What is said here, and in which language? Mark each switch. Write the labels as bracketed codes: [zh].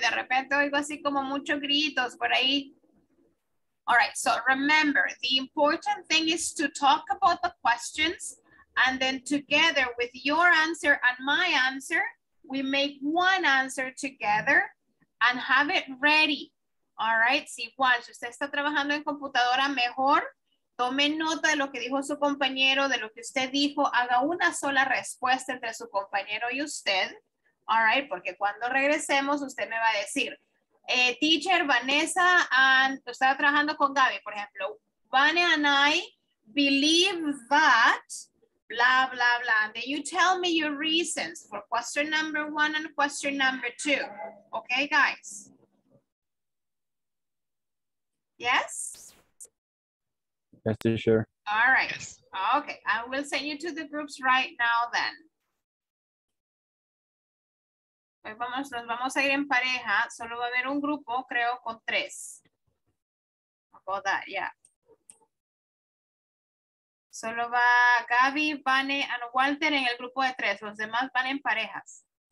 [es] De repente oigo así como muchos gritos por ahí. [en] All right, so remember, the important thing is to talk about the questions and then together with your answer and my answer, we make one answer together and have it ready. [es] All right, si igual, si usted está trabajando en computadora, mejor tome nota de lo que dijo su compañero, de lo que usted dijo, haga una sola respuesta entre su compañero y usted. All right, porque cuando regresemos, usted me va a decir, teacher Vanessa, estaba trabajando con Gaby, por ejemplo, [en] Vane and I believe that, blah, blah, blah. And then you tell me your reasons for question number one and question number two. Okay, guys? Yes? Yes, teacher. All right. Yes. Okay, I will send you to the groups right now then. [es] Hoy vamos, nos vamos a ir en pareja. Solo va a haber un grupo, creo, con tres. [en] About that, yeah. [es] Solo va Gaby, Vane, and Walter en el grupo de tres. Los demás van en parejas.